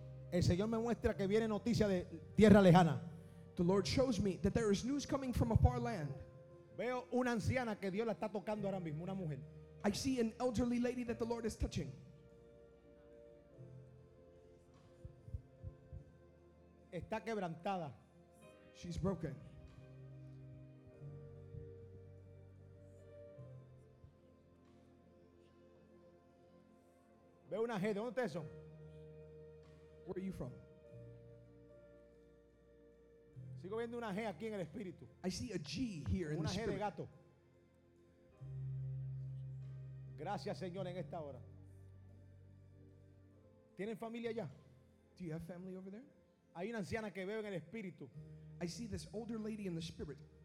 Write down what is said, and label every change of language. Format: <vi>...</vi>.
<es>El Señor me muestra que viene noticia de tierra lejana.</es> <en>The Lord shows me that there is news coming from a far land.</en> <es>Veo una anciana que Dios la está tocando ahora mismo, una mujer.</es> <en>I see an elderly lady that the Lord is touching.</en> <es>Está quebrantada.</es> <en>She's broken.</en> <es>Veo una gente, ¿dónde son?</es> <en>Where are you from?</en> <es>Sigo viendo una G aquí en el espíritu.</es> <en>I see a G here in</en> <es>una</es> <en>the spirit.</en> <es>Una G de gato. Gracias, Señor, en esta hora. ¿Tienen familia allá?</es> <en>Do you have family over there?</en> <es>Hay una anciana que veo en el espíritu.</es> <en>I see this older lady in the spirit.</en>